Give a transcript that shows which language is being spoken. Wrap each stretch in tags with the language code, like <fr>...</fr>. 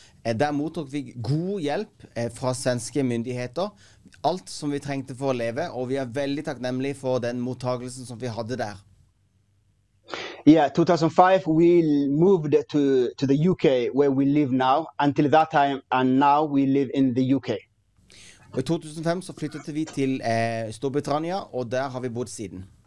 <no>Der mottok vi god hjelp fra svenske myndigheter. Alt som vi trengte for å leve, og vi er veldig takknemlige for den mottagelsen som vi hadde der.</no> <en>Yeah, 2005 we moved to the UK where we live now until that time, and now we live in the UK.</en> <sv>Och 2005 så flyttade vi till Storbritannia och där har vi bott sedan.</sv>